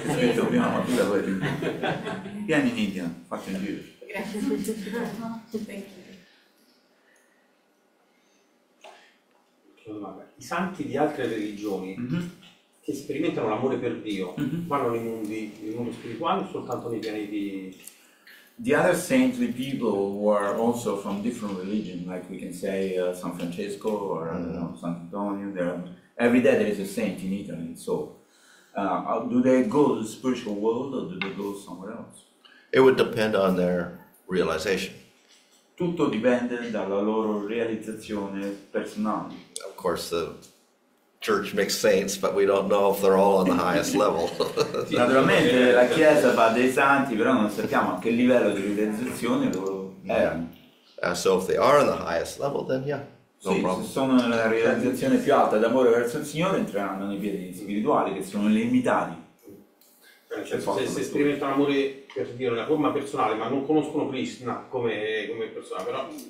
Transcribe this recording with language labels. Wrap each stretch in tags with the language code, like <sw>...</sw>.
<it>C'è scritto prima Mathura e poi Vrindavana. Vieni in India, fatti un giro. Grazie.</it> <en>Thank you.</en> <it>I santi di altre religioni che sperimentano l'amore per Dio, vanno nei mondi spirituali o soltanto nei pianeti...</it> <en>The other saintly people who are also from different religions, like we can say San Francesco or San Antonio, every day there is a saint in Italy. So, do they go to the spiritual world or do they go somewhere else? It would depend on their realization.</en> <it>Tutto dipende dalla loro realizzazione personale.</it> <en>Of course, the church makes saints, but we don't know if they're all on the highest level.</en> <it>Naturalmente la chiesa fa dei santi, però non sappiamo a che livello di realizzazione loro erano.</it> <en>So if they are on the highest level, then yeah, no</en> <it>sì,</it> <en>problem.</en> <it>Se sono nella realizzazione più alta d'amore verso il Signore, entreranno nei piedi spirituali, che sono le limitati. Se sperimentano amore per Dio nella forma personale, ma non conoscono Krishna come persona, però...</it>